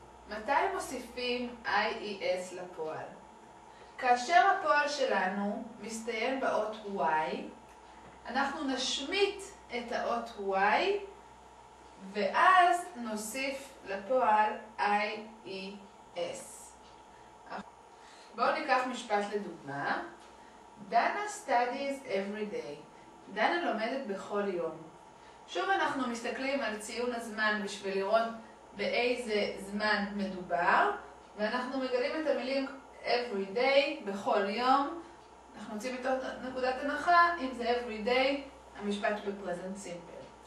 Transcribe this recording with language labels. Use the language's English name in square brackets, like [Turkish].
[Hebrew] מתי מוסיפים IES לפועל? כאשר הפועל שלנו מסתיים באות Y, אנחנו נשמיט את האות Y, ואז נוסיף לפועל IES. בואו ניקח משפט לדוגמה. [English] דנה studies every day. [Hebrew] דנה לומדת בכל יום. שוב אנחנו מסתכלים על ציון הזמן בשביל לראות באיזה זמן מדובר, ואנחנו מגלים את המילים [English] every day, [Hebrew] בכל יום. אנחנו מוצאים את נקודת הנחה, אם זה [English] every day, [Hebrew] המשפט הוא בפרזנט סימפל.